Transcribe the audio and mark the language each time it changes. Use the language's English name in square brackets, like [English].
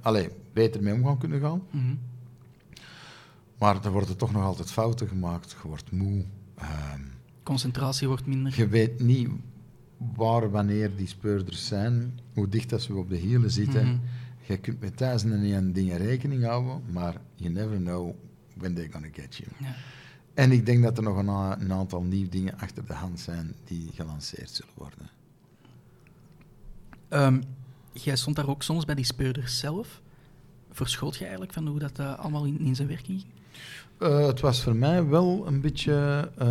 [Dutch] Allee, beter mee om gaan kunnen gaan. Mm-hmm. Maar er worden toch nog altijd fouten gemaakt. Je wordt moe. Concentratie wordt minder. Je weet niet waar wanneer die speurders zijn. Hoe dicht dat ze op de hielen zitten. Mm-hmm. Je kunt met thuis en niet aan dingen rekening houden. [English] Maar you never know when they're gonna get you. Ja. [Dutch] En ik denk dat er nog een aantal nieuwe dingen achter de hand zijn die gelanceerd zullen worden. Jij stond daar ook soms bij die speurders zelf. Verschoot je eigenlijk van hoe dat allemaal in zijn werking ging? Het was voor mij wel een beetje...